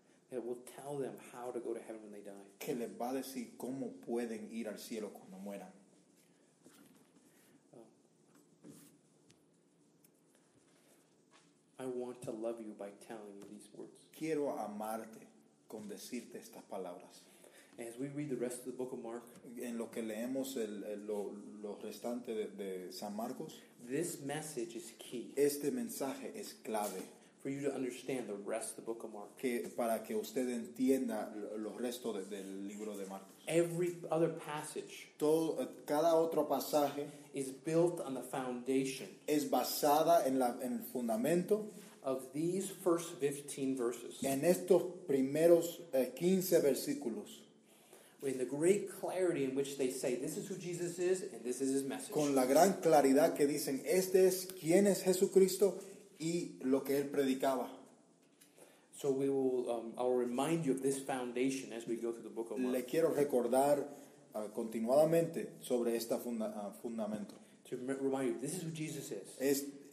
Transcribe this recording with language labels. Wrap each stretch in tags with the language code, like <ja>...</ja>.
<en>That will tell them how to go to heaven when they die.</en> <es>Que les va a decir cómo pueden ir al cielo cuando mueran.</es> <en>I want to love you by telling you these words.</en> <es>Quiero amarte con decirte estas palabras.</es> <en>As we read the rest of the book of Mark,</en> <es>en lo que leemos lo restante de San Marcos,</es> <en>this message is key.</en> <es>Este mensaje es clave.</es> <en>For you to understand the rest of the book of Mark.</en> <es>Que para que usted entienda lo resto del libro de Marcos.</es> <en>Every other passage.</en> <es>Todo, cada otro pasaje.</es> <en>Is built on the foundation.</en> <es>Es basada en el fundamento.</es> <en>Of these first 15 verses.</en> <es>En estos primeros 15 versículos.</es> <en>In the great clarity in which they say, this is who Jesus is, and this is his message.</en> <es>Con la gran claridad que dicen, este es quien es Jesucristo, y lo que él predicaba.</es> <en>So we will, I'll remind you of this foundation as we go through the book of Mark.</en> <es>Le quiero recordar continuadamente sobre esta fundamento.</es> <en>To remind you, this is who Jesus is.</en>